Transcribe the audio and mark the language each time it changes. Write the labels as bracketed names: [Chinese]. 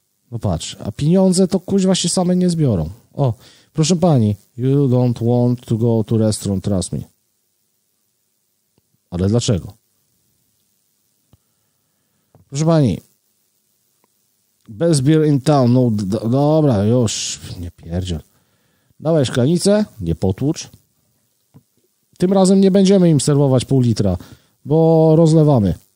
[Polish] No patrz, a pieniądze to kuźwa się same nie zbiorą. O, proszę pani, [English] you don't want to go to restaurant, trust me. [Polish] Ale dlaczego? Proszę pani, [English] best beer in town, [Polish] no dobra, już, nie pierdziel. Dawaj szklanicę, nie potłucz. Tym razem nie będziemy im serwować pół litra, bo rozlewamy.